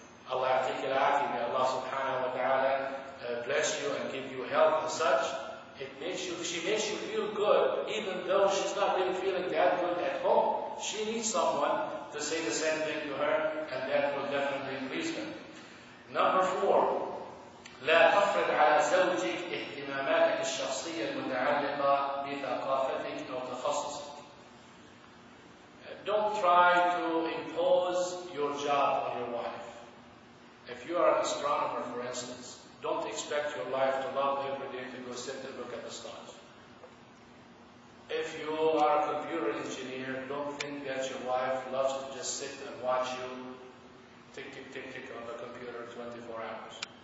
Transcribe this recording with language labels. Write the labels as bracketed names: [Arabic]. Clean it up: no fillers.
[Arabic] Allah yahdik al afiya, [English] may Allah subhanahu wa ta'ala bless you and give you health and such. It makes you, she makes you feel good, even though she's not really feeling that good at home. She needs someone to say the same thing to her, and that will definitely please her. Number four, [Arabic] لا تفرض على زوجك اهتماماتك الشخصية المتعلقة بثقافتك أو تخصصك. [English] Don't try to impose your job on your wife. If you are an astronomer, for instance, don't expect your wife to love every day to go sit and look at the stars. If you are a computer engineer, don't think that your wife loves to just sit and watch you tick, tick, tick, tick on the computer 24 hours.